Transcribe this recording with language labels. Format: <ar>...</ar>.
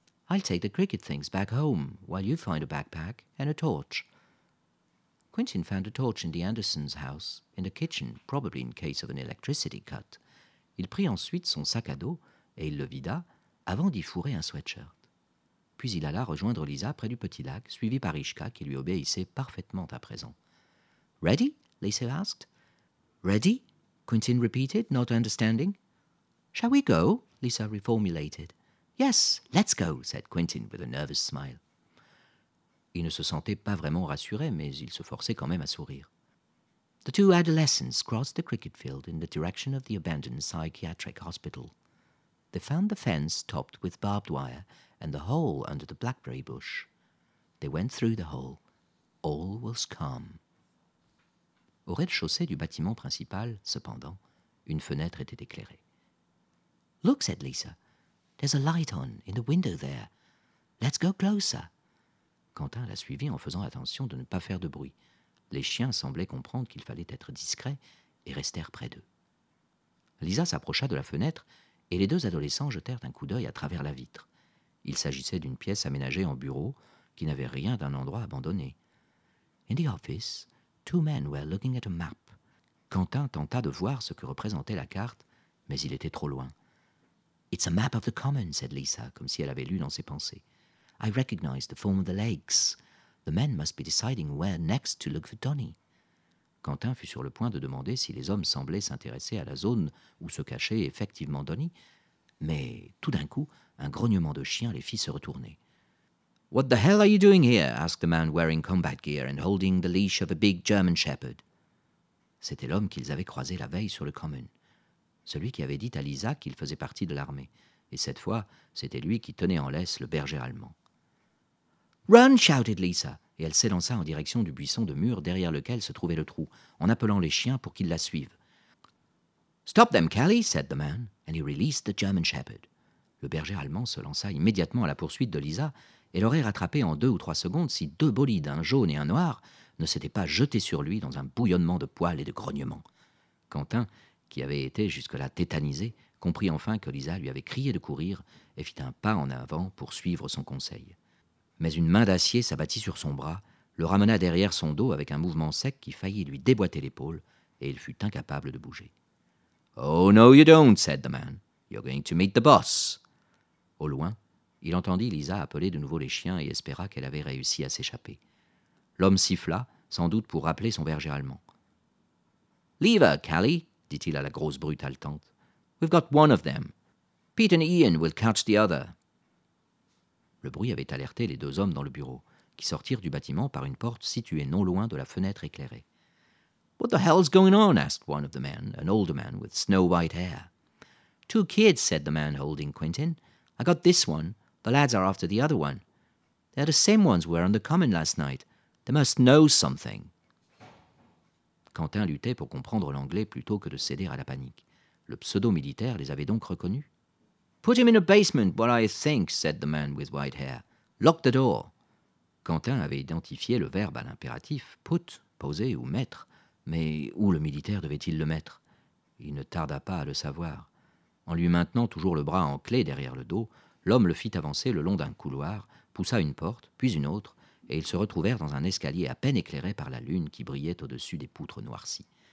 <en>I'll take the cricket things back home while you find a backpack and a torch. » Quentin found a torch in the Andersons' house, in the kitchen, probably in case of an electricity cut.</en> <fr>Il prit ensuite son sac à dos et il le vida avant d'y fourrer un sweatshirt. Puis il alla rejoindre Lisa près du petit lac, suivi par Ishka qui lui obéissait parfaitement à présent.</fr> <en>« Ready ?» Lisa asked. « Ready ?» Quentin repeated, not understanding. « Shall we go ?» Lisa reformulated. « Yes, let's go !» said Quentin with a nervous smile.</en> <fr>Il ne se sentait pas vraiment rassuré, mais il se forçait quand même à sourire.</fr> <en>The two adolescents crossed the cricket field in the direction of the abandoned psychiatric hospital. They found the fence topped with barbed wire and the hole under the blackberry bush. They went through the hole. All was calm.</en> <fr>Au rez-de-chaussée du bâtiment principal, cependant, une fenêtre était éclairée.</fr> <en>Look, said Lisa. There's a light on in the window there. Let's go closer.</en> <fr>Quentin la suivit en faisant attention de ne pas faire de bruit. Les chiens semblaient comprendre qu'il fallait être discret et restèrent près d'eux. Lisa s'approcha de la fenêtre et les deux adolescents jetèrent un coup d'œil à travers la vitre. Il s'agissait d'une pièce aménagée en bureau qui n'avait rien d'un endroit abandonné.</fr> <en>In the office, two men were looking at a map.</en> <fr>Quentin tenta de voir ce que représentait la carte, mais il était trop loin.</fr> <en>It's a map of the common, said Lisa,</en> <fr>comme si elle avait lu dans ses pensées.</fr> <en>I recognize the form of the lakes. The men must be deciding where next to look for Donnie.</en> <fr>Quentin fut sur le point de demander si les hommes semblaient s'intéresser à la zone où se cachait effectivement Donnie, mais tout d'un coup, un grognement de chien les fit se retourner.</fr> <en>What the hell are you doing here? Asked a man wearing combat gear and holding the leash of a big German shepherd.</en> <fr>C'était l'homme qu'ils avaient croisé la veille sur le common, celui qui avait dit à Lisa qu'il faisait partie de l'armée. Et cette fois, c'était lui qui tenait en laisse le berger allemand. « Run !»</fr> <en>shouted Lisa,</en> <fr>et elle s'élança en direction du buisson de mur derrière lequel se trouvait le trou, en appelant les chiens pour qu'ils la suivent.</fr> <en>« Stop them, Kelly !» said the man, and he released the German shepherd.</en> <fr>Le berger allemand se lança immédiatement à la poursuite de Lisa et l'aurait rattrapé en deux ou trois secondes si deux bolides, un jaune et un noir, ne s'étaient pas jetés sur lui dans un bouillonnement de poils et de grognements. Quentin, qui avait été jusque-là tétanisé, comprit enfin que Lisa lui avait crié de courir et fit un pas en avant pour suivre son conseil. mais une main d'acier s'abattit sur son bras, le ramena derrière son dos avec un mouvement sec qui faillit lui déboîter l'épaule, et il fut incapable de bouger.</fr> <en>« Oh, no, you don't, » said the man. « You're going to meet the boss. »</en> <fr>Au loin, il entendit Lisa appeler de nouveau les chiens et espéra qu'elle avait réussi à s'échapper. L'homme siffla, sans doute pour rappeler son berger allemand. «</fr> <en>Leave her, Callie,</en> <fr>» dit-il à la grosse brute haletante.</fr> <en>« We've got one of them. Pete and Ian will catch the other. »</en> <fr>Le bruit avait alerté les deux hommes dans le bureau, qui sortirent du bâtiment par une porte située non loin de la fenêtre éclairée.</fr> <en>« What the hell's going on ?» asked one of the men, an older man with snow-white hair. « Two kids, » said the man holding Quentin. « I got this one. The lads are after the other one. They're the same ones who were on the common last night. They must know something. »</en> <fr>Quentin luttait pour comprendre l'anglais plutôt que de céder à la panique. Le pseudo-militaire les avait donc reconnus.</fr> <en>« Put him in a basement, what I think, » said the man with white hair. « Lock the door. »</en> <fr>Quentin avait identifié le verbe à l'impératif « put »,« poser » ou « mettre ». Mais où le militaire devait-il le mettre? Il ne tarda pas à le savoir. En lui maintenant toujours le bras en clé derrière le dos, l'homme le fit avancer le long d'un couloir, poussa une porte, puis une autre, et ils se retrouvèrent dans un escalier à peine éclairé par la lune qui brillait au-dessus des poutres noircies.</fr>